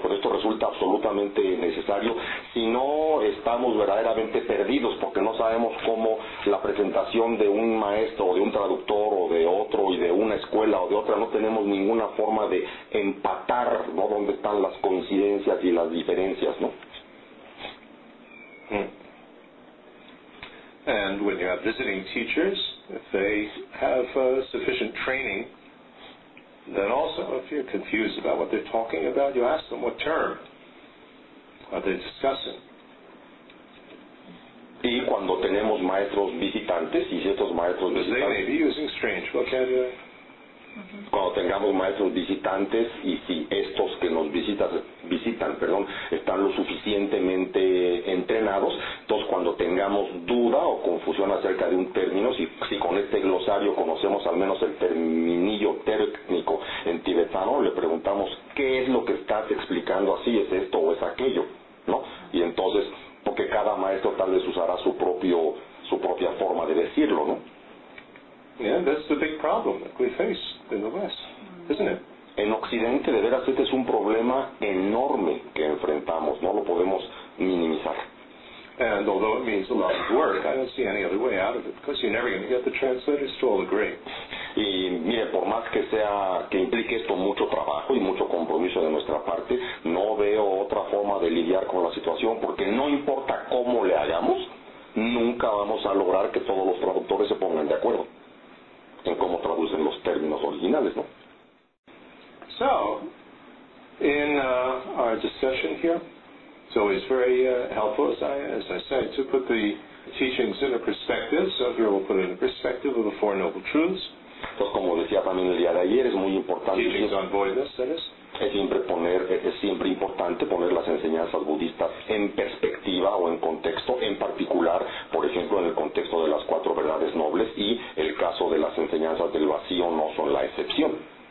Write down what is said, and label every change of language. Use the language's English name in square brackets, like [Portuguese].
[Spanish] Pero esto resulta absolutamente necesario, si no estamos verdaderamente perdidos, porque no sabemos cómo la presentación de un maestro, o de un traductor, o de otro, y de una escuela, o de otra, no tenemos ninguna forma de empatar, ¿no?, dónde están las coincidencias y las diferencias, ¿no? [English] And when you have visiting teachers, if they have sufficient training, then also if you're confused about what they're talking about, you ask them what term are they discussing. [Spanish] Y cuando tenemos maestros visitantes y ciertos maestros visitantes, [English] they may be using strange vocabulary. [Spanish] Cuando tengamos maestros visitantes y si estos que nos visitan, están lo suficientemente entrenados, entonces cuando tengamos duda o confusión acerca de un término, si con este glosario conocemos al menos el terminillo técnico en tibetano, le preguntamos qué es lo que estás explicando, así es esto o es aquello, ¿no? Y entonces, porque cada maestro tal vez usará su propia forma de decirlo, ¿no? [English] Yeah, that's the big problem that we face in the West, isn't it? [Spanish] En Occidente, de veras, este es un problema enorme que enfrentamos. No lo podemos minimizar. [English] And although it means a lot of work, I don't see any other way out of it, because you're never going to get the translators to all agree. [Spanish] Y mire, por más que implique esto mucho trabajo y mucho compromiso de nuestra parte, no veo otra forma de lidiar con la situación, porque no importa cómo le hagamos, nunca vamos a lograr que todos los traductores se pongan de acuerdo en cómo traducen los términos originales, ¿no? [English] So, in our discussion here, it's always very helpful, as I say, to put the teachings in a perspective. So here we'll put it in a perspective of the Four Noble Truths. [Spanish] Entonces, como decía también el día de ayer, es muy importante. [English] Teachings on voidness, that is. [Spanish] Es siempre importante poner las enseñanzas budistas en perspectiva o en contexto, en particular, por ejemplo, en el contexto de las cuatro verdades nobles, y el caso de las enseñanzas del vacío no son la excepción.